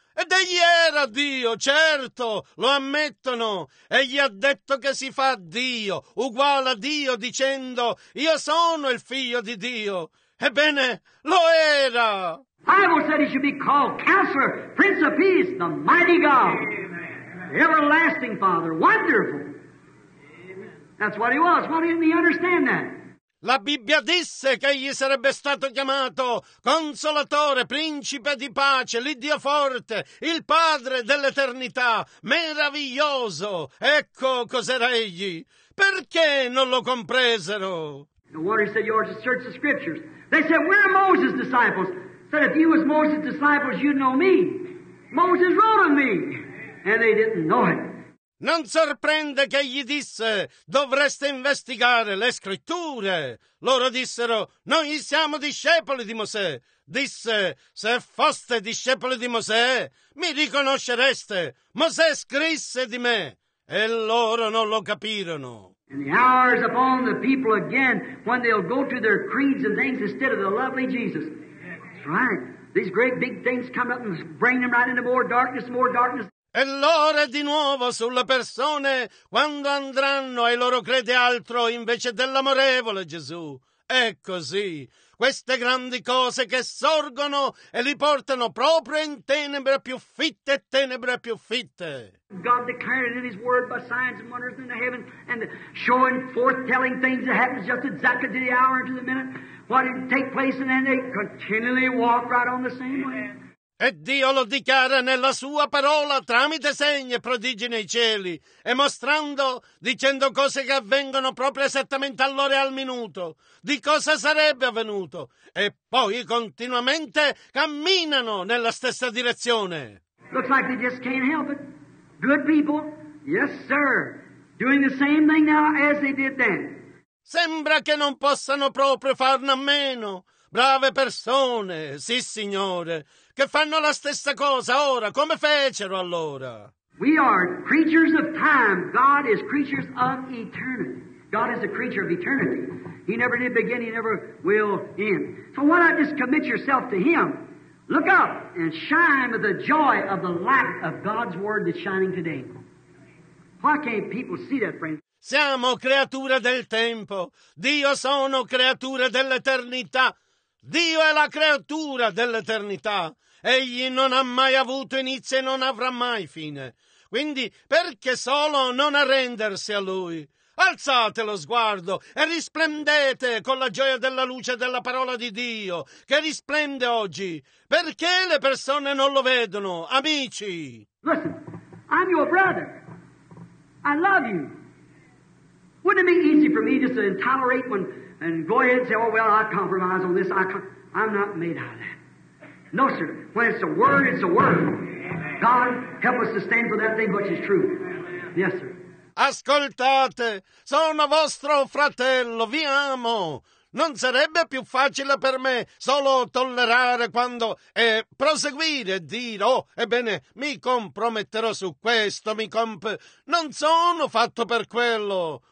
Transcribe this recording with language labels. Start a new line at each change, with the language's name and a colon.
Italian: Ed egli era Dio, certo, lo ammettono. Egli ha detto che si fa Dio, uguale a Dio, dicendo, io sono il figlio di Dio. Ebbene, lo era.
English: Bible said he should be called Counselor, Prince of Peace, the Mighty God. Amen. Everlasting Father, wonderful. Amen. That's what he was. Why didn't he understand that?
Italian: La Bibbia disse che egli sarebbe stato chiamato Consolatore, Principe di Pace, l'Iddio Forte, il Padre dell'Eternità, Meraviglioso. Ecco cos'era egli. Perché non lo compresero?
English: The water said, you ought to search the scriptures. They said, we're Moses' disciples. Said, if you was Moses' disciples, you'd know me. Moses wrote on me. And they didn't know it.
Italian: Non sorprende che gli disse: dovreste investigare le scritture. Loro dissero: noi siamo discepoli di Mosè. Disse: se foste discepoli di Mosè, mi riconoscereste. Mosè scrisse di me. E loro non lo capirono.
English: And the hour is upon the people again when they'll go to their creeds and things instead of the lovely Jesus. That's right. These great big things come up and bring them right into more darkness, more darkness.
Italian: E l'ora di nuovo sulle persone quando andranno ai loro credi altro invece dell'amorevole Gesù. È così. Queste grandi cose che sorgono e li portano proprio in tenebre più fitte e tenebre più fitte.
English: God declaring in His Word by signs and wonders in the heaven and showing forth telling things that happens just exactly to the hour and to the minute what it take place and then they continually walk right on the same way.
Italian: E Dio lo dichiara nella sua parola tramite segni e prodigi nei cieli e mostrando, dicendo cose che avvengono proprio esattamente all'ora e al minuto, di cosa sarebbe avvenuto. E poi continuamente camminano nella stessa direzione.
English: Looks like they just can't help it. Good people, yes sir, doing the same thing now as they did then.
Italian: Sembra che non possano proprio farne a meno. Brave persone, sì signore, che fanno la stessa cosa ora, come fecero allora.
English: We are creatures of time. God is creatures of eternity. God is a creature of eternity. He never did begin, He never will end. So why not just commit yourself to Him? Look up and shine with the joy of the light of God's Word that's shining today. Why can't people see that, friends?
Italian: Siamo creature del tempo. Dio sono creature dell'eternità. Dio è la creatura dell'eternità. Egli non ha mai avuto inizio e non avrà mai fine. Quindi, perché solo non arrendersi a Lui? Alzate lo sguardo e risplendete con la gioia della luce della parola di Dio, che risplende oggi. Perché le persone non lo vedono, amici?
English: Listen, I'm your brother. I love you. Wouldn't it be easy for me just to tolerate when... And go ahead and say, oh, well, I compromise on this. I'm not made out of that. No, sir. When it's a word, it's a word. God, help us to stand for that thing which is true. Yes, sir.
Italian: Ascoltate, sono vostro fratello, vi amo. Non sarebbe più facile per me solo tollerare quando e proseguire e dire, oh, ebbene, mi comprometterò su questo, non sono fatto per quello.